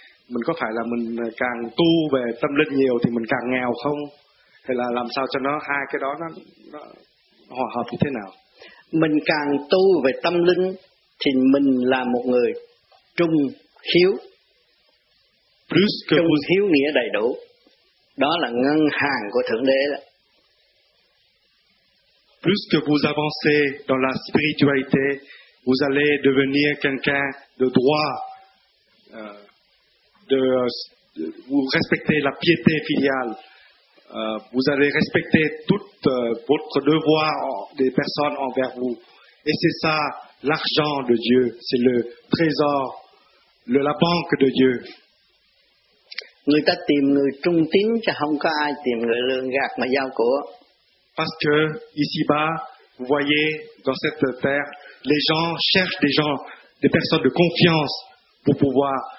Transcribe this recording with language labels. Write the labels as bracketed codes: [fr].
[vi] Mình có phải là mình càng tu về tâm linh nhiều thì mình càng nghèo không, hay là làm sao cho nó hai cái đó nó hòa hợp như thế nào? Mình càng tu về tâm linh thì mình là một người trung hiếu. [fr] Plus que [vi] trung hiếu nghĩa đầy đủ. Đó là ngân hàng của Thượng Đế đó. [fr] Plus que vous avancez dans la spiritualité, vous allez devenir quelqu'un de droit, vous respectez la piété filiale, vous allez respecter tout votre devoir des personnes envers vous. Et c'est ça l'argent de Dieu, c'est le trésor, la banque de Dieu. [vi] Người ta tìm người trung tín chứ không có ai tìm người lường gạt mà giao của. [fr] Parce que ici-bas, vous voyez, dans cette terre, les gens cherchent des gens, des personnes de confiance pour pouvoir